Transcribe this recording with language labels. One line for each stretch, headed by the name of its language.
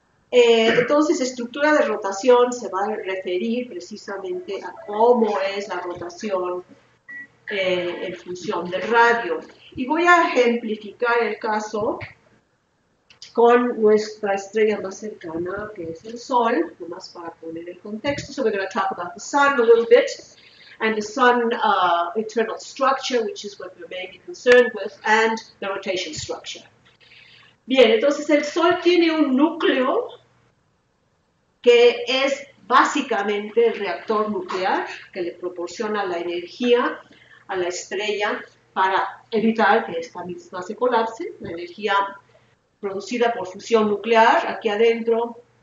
Spanish: Entonces, estructura de rotación se va a referir precisamente a cómo es la rotación en función del radio. Y voy a ejemplificar el caso con nuestra estrella más cercana, que es el Sol, nomás para poner el contexto.
English: So we're going to talk about the Sun a little bit, and the Sun eternal structure, which is what we're mainly concerned with, and the rotation structure.
Spanish: Bien, entonces el Sol tiene un núcleo que es básicamente el reactor nuclear que le proporciona la energía a la estrella para evitar que esta misma se colapse, la energía producida por fusión nuclear, aquí adentro